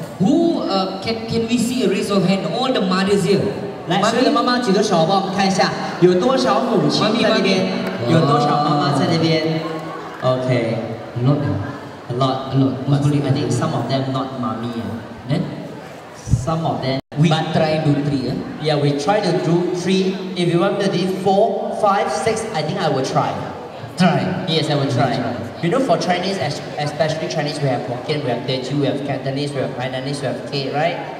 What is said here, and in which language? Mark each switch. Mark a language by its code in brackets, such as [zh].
[en] Who can we see a raise of hand? All the mothers here. [zh] 来，所有的妈妈举个手，帮我们看一下，有多少母亲在那边？有多少妈妈在那边 ？OK. [en] A lot. Mostly, I think some of them not mommy. Then some of them. We try to do three. Yeah, we try to do three. If you want to do 4, 5, 6, I think I will try. Try. Yes, I will try. You know, for Chinese, especially Chinese, we have Hokkien, we have Teochew, we have Cantonese, we have Hainanese, we have K, right?